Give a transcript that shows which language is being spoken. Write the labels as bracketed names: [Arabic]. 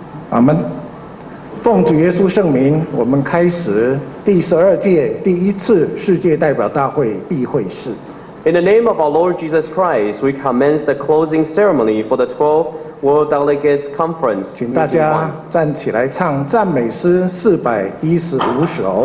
[Chinese] 阿们，奉主耶稣圣名，我们开始第十二届第一次世界代表大会闭会式。 [English] In the name of our Lord Jesus Christ, we commence the closing ceremony for the 12th World Delegates Conference. [Chinese] 请大家站起来唱赞美诗415首。